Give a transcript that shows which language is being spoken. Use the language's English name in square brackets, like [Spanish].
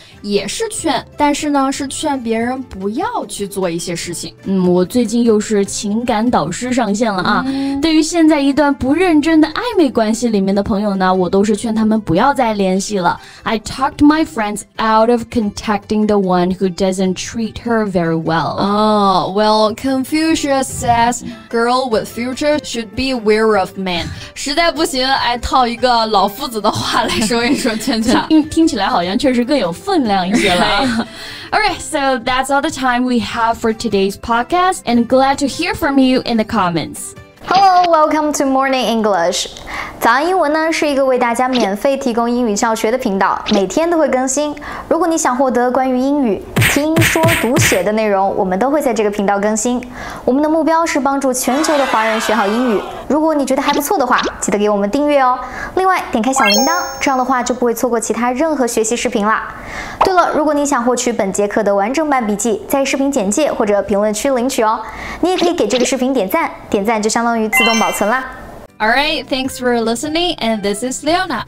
[Chinese] 也是劝，但是呢，是劝别人不要去做一些事情。我最近又是情感导师上线了啊。对于现在一段不认真的暧昧关系里面的朋友呢，我都是劝他们不要再联系了。 [English] I talked my friends out of contacting the one who doesn't treat her very well. Well, Confucius says, girl with future should be aware of man. [Chinese] 实在不行，哎，套一个老夫子的话来说一说，劝劝。听起来好像确实更有分量一些了。 [English] Alright, so that's all the time we have for today's podcast, and glad to hear from you in the comments. Hello, welcome to Morning English. [Chinese] 早安英文呢是一个为大家免费提供英语教学的频道，每天都会更新。如果你想获得关于英语听说读写的内容，我们都会在这个频道更新。我们的目标是帮助全球的华人学好英语。如果你觉得还不错的话，记得给我们订阅哦。另外，点开小铃铛，这样的话就不会错过其他任何学习视频啦。对了，如果你想获取本节课的完整版笔记，在视频简介或者评论区领取哦。你也可以给这个视频点赞，点赞就相当于自动保存啦。 [English] All right, thanks for listening, and this is Leona.